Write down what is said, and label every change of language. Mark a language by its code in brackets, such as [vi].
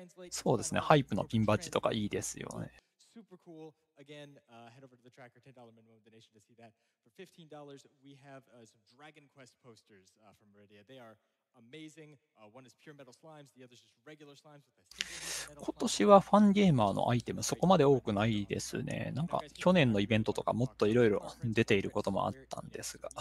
[ja] そうですね、ハイプのピンバッジとかいいですよね。 [en] Super cool. Again, head over to the tracker, $10 minimum donation to see that. For $15, we have some Dragon Quest posters from Meridia. They are amazing. One is pure metal slimes, the other is just regular slimes. [ja] 今年はファンゲーマーのアイテムそこまで多くないですね。なんか去年のイベントとかもっといろいろ出ていることもあったんですが。